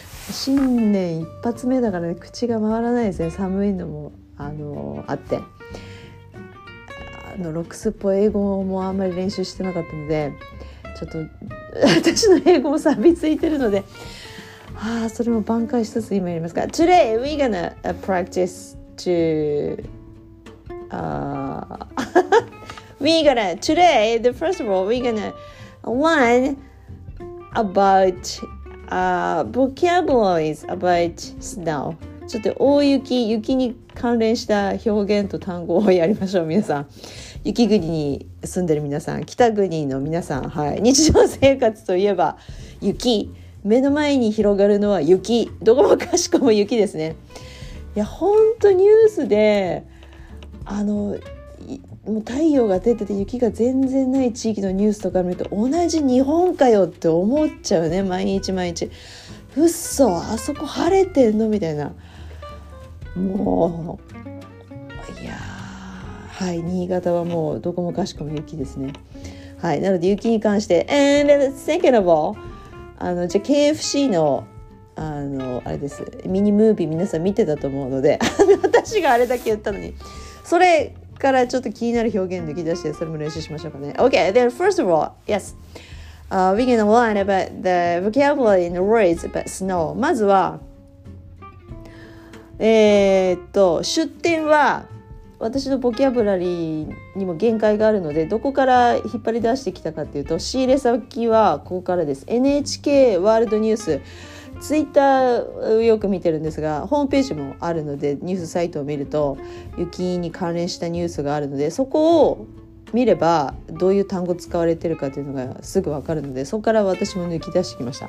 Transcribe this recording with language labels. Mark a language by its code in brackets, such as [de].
[ja] 新年一発目だから、ね、口が回らないですね。寒いのも あって。ロックスっぽい英語もあんまり練習してなかったので、ちょっと私の英語も錆びついてるので、ああ、それも挽回しつつ今やりますか。 [en] Today, we're gonna practice to... Today, the first of all, we're gonna learn about vocabularies about snow. [ja] ちょっと大雪、雪に関連した表現と単語をやりましょう、皆さん。雪国に住んでる皆さん、北国の皆さん、はい。日常生活といえば雪。目の前に広がるのは雪、どこもかしこも雪ですね。いや本当ニュースでもう太陽が出てて雪が全然ない地域のニュースとか見ると同じ日本かよって思っちゃうね。毎日毎日うっそあそこ晴れてんのみたいな。もういやはい、新潟はもうどこもかしこも雪ですね。はい、なので雪に関して、 [en] And second of all [ja] じゃあ KFC の、あれです、ミニムービー皆さん見てたと思うので私があれだけ言ったのに、それからちょっと気になる表現抜き出してそれも練習しましょうかね。 [en] OK, then first of all, yes、we're gonna learn about the vocabulary and the words about snow. [ja] まずは出典は私のボキャブラリーにも限界があるので、どこから引っ張り出してきたかっていうと、仕入れ先はここからです。 NHK ワールドニュース、ツイッターをよく見てるんですが、ホームページもあるのでニュースサイトを見ると雪に関連したニュースがあるので、そこを見ればどういう単語使われてるかっていうのがすぐ分かるので、そこから私も抜き出してきました。